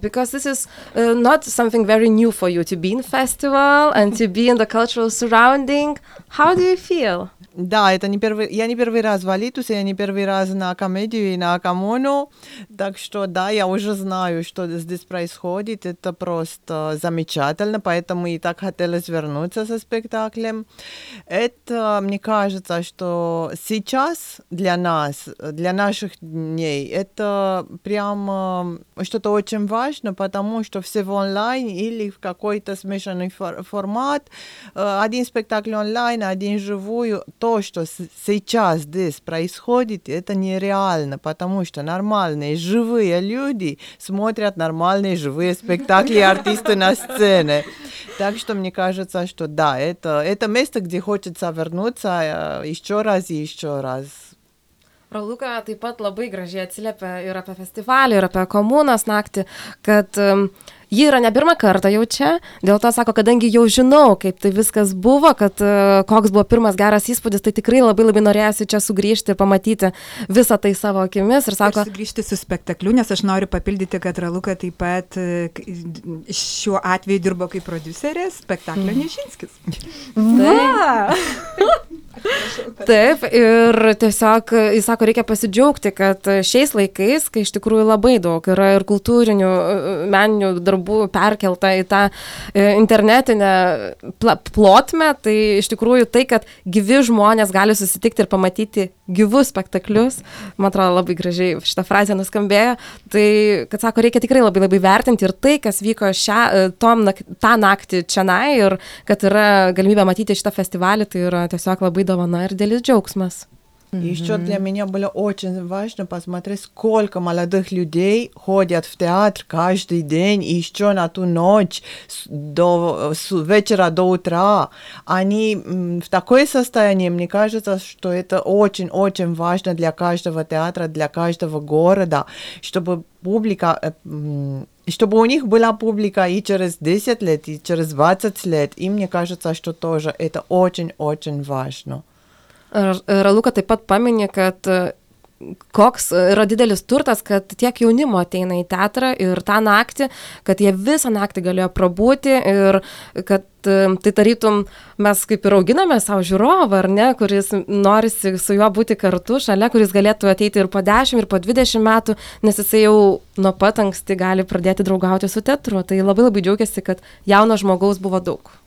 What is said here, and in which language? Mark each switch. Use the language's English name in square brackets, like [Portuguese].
[English] Because this is not something very new for you to be in festival and to be in the cultural surrounding. How do you feel? [Russian] Да, это не первый, я не первый раз в Алитусе, я не первый раз на комедию и на Акамону, так что да, я уже знаю, что здесь происходит, это просто замечательно, поэтому и так хотелось вернуться со спектаклем. Это, мне кажется, что сейчас для нас, для наших дней, это прямо что-то очень важно, потому что все в онлайн или в какой-то смешанный формат, один спектакль онлайн, один живую. То, что сейчас здесь происходит, это нереально, потому что нормальные живые люди смотрят нормальные живые спектакли и артисты на сцене. Так что мне кажется, что да, это место, где хочется вернуться еще раз и еще раз. [Lithuanian] Raluka taip pat labai gražiai atsiliepia ir apie festivalį, ir apie komunos naktį, kad ji yra ne pirmą kartą jau čia, dėl to sako, kadangi jau žinau, kaip tai viskas buvo, kad koks buvo pirmas geras įspūdis, tai tikrai labai labai norėjasi čia sugrįžti ir pamatyti visą tai savo akimis. Ir sako, aš sugrįžti su spektakliu, nes aš noriu papildyti, kad Raluka taip pat šiuo atveju dirbo kaip prodiuserė spektaklio Nižinskis. Va! Taip, ir tiesiog, jis sako, reikia pasidžiaugti, kad šiais laikais, kai iš tikrųjų labai daug yra ir kultūrinių meninių darbų perkelta į tą internetinę plotmę, tai iš tikrųjų tai, kad gyvi žmonės gali susitikti ir pamatyti gyvus spektaklius, man atrodo labai gražiai šitą frazę nuskambėjo, tai, kad sako, reikia tikrai labai labai vertinti ir tai, kas vyko tą naktį čianai ir kad yra galimybė matyti šitą festivalį, tai yra tiesiog labai Выдавана и делит джоксмас. [Russian] Еще для меня было очень важно посмотреть, сколько молодых людей ходят в театр каждый день и еще на ту ночь с вечера до утра. Они в такое состояние, мне кажется, что это очень-очень важно для каждого театра, для каждого города, чтобы публика... Чтобы у них была публика и через 10 лет, и через 20 лет, и мне кажется, что тоже это очень-очень важно. [Lithuanian] Raluka taip pat pamini, kad koks yra didelis turtas, kad tiek jaunimo ateina į teatrą ir tą naktį, kad jie visą naktį galėjo prabūti ir kad tai tarytum mes kaip ir auginame savo žiūrovą, ar ne, kuris norisi su juo būti kartu šalia, kuris galėtų ateiti ir po 10 ir po 20 metų, nes jisai jau nuo pat anksti gali pradėti draugauti su teatru, tai labai labai džiaugiasi, kad jauno žmogaus buvo daug.